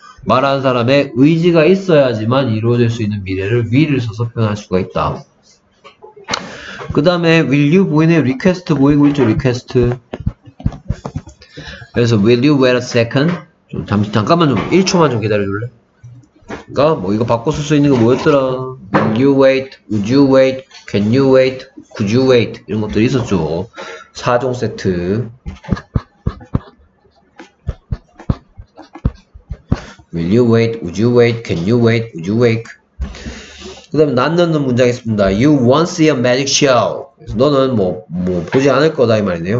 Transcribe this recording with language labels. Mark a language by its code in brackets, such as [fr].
[ko] 말하는 사람의 의지가 있어야지만 이루어질 수 있는 미래를 will을 써서 표현할 수가 있다. 그 다음에 will you 보이네요. request 보이고 있죠. request. 그래서 [en] will you wait a second? [ko] 좀 잠깐만 좀 1초만 좀 기다려줄래? 그니까 뭐 이거 바꿔 쓸수 있는 게 뭐였더라? [en] You wait, would you wait, can you wait, could you wait [ko] 이런 것들이 있었죠. 4종 세트. [en] Will you wait, would you wait, can you wait, would you wait? [ko] 그다음에 난 넣는 문장이 있습니다. [en] You won't see a magic show. [ko] 너는 뭐 보지 않을 거다 이 말이네요.